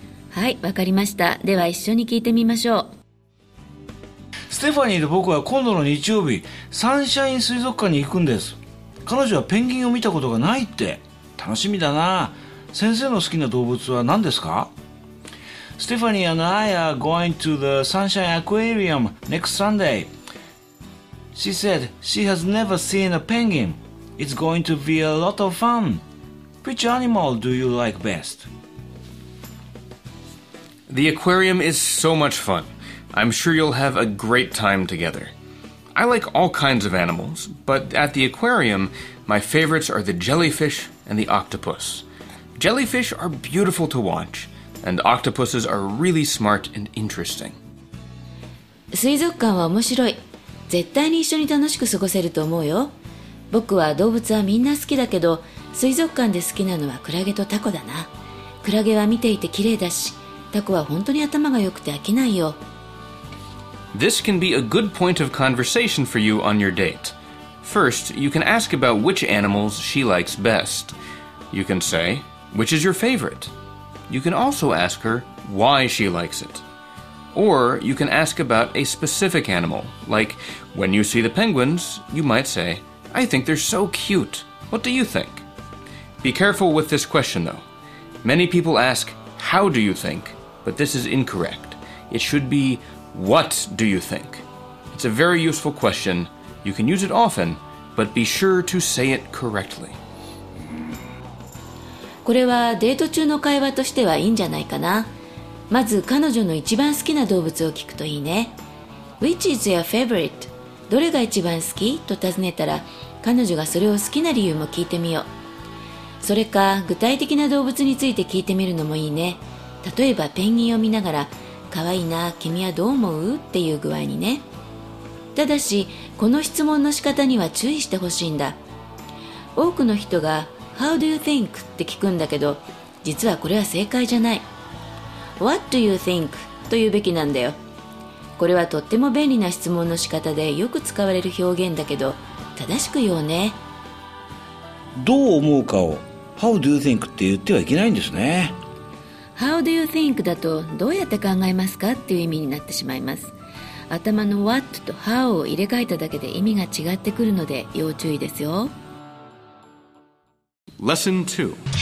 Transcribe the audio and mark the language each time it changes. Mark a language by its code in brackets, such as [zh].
[ja] はい、わかりました。では一緒に聞いてみましょう。ステファニーと僕は今度の日曜日サンシャイン水族館に行くんです。彼女はペンギンを見たことがないって。楽しみだな。先生の好きな動物は何ですか？ [en] Stephanie and I are going to the Sunshine Aquarium next Sunday. She said she has never seen a penguin. It's going to be a lot of fun. Which animal do you like best? The aquarium is so much fun. I'm sure you'll have a great time together. I like all kinds of animals, but at the aquarium, my favorites are the jellyfish and the octopus. Jellyfish are beautiful to watch, and octopuses are really smart and interesting. [ja] 水族館は面白い。絶対に一緒に楽しく過ごせると思うよ。僕は動物はみんな好きだけど、水族館で好きなのはクラゲとタコだな。クラゲは見ていて綺麗だし、タコは本当に頭が良くて飽きないよ。 [en] This can be a good point of conversation for you on your date. First, you can ask about which animals she likes best. You can say, which is your favorite? You can also ask her why she likes it. Or you can ask about a specific animal, like when you see the penguins, you might say, I think they're so cute. What do you think? Be careful with this question though. Many people ask, how do you think? But this is incorrect. It should be, what do you think? It's a very useful question. You can use it often, but be sure to say it correctly. [ja] これはデート中の会話としてはいいんじゃないかな。まず彼女の一番好きな動物を聞くといいね。 [en] Which is your favorite? [ja] どれが一番好き? と尋ねたら彼女がそれを好きな理由も聞いてみよう。それか具体的な動物について聞いてみるのもいいね。例えばペンギンを見ながら、かわいいな、君はどう思う? っていう具合にね。ただしこの質問の仕方には注意してほしいんだ。多くの人が [en] How do you think? [ja] って聞くんだけど、実はこれは正解じゃない。 [en] What do you think? [ja] と言うべきなんだよ。これはとっても便利な質問の仕方でよく使われる表現だけど、正しく言おうね。どう思うかを [en] How do you think? [ja] って言ってはいけないんですね。 [en] How do you think? [ja] だとどうやって考えますかっていう意味になってしまいます。頭の What と How を入れ替えただけで意味が違ってくるので要注意ですよ。 [en] Lesson 2.